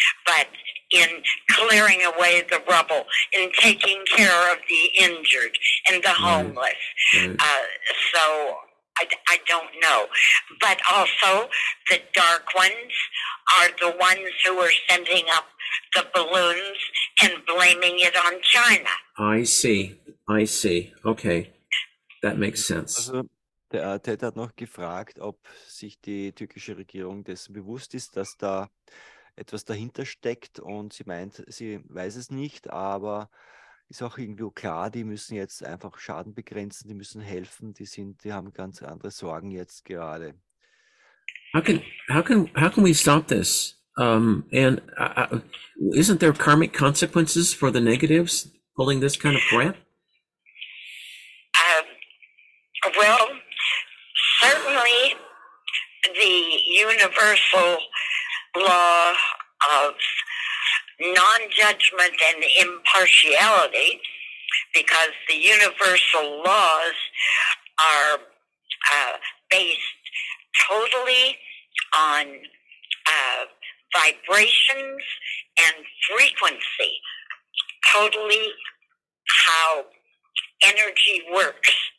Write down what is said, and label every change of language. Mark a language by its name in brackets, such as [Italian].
[English] But in clearing away the rubble, in taking care of the injured and the homeless. So I don't know. But also the dark ones are the ones who are sending up the balloons and blaming it on China. I see. Okay. That makes sense. [German] Der Ted hat noch gefragt, ob sich die türkische Regierung dessen bewusst ist, dass da etwas dahinter steckt und sie meint, sie weiß es nicht, aber ist auch irgendwie klar, die müssen jetzt einfach Schaden begrenzen, die müssen helfen, die haben ganz andere Sorgen jetzt gerade. [English] How can we stop this? Isn't there karmic consequences for the negatives pulling this kind of crap? Well, certainly, the universal law of non-judgment and impartiality, because the universal laws are based totally on vibrations and frequency, totally how energy works.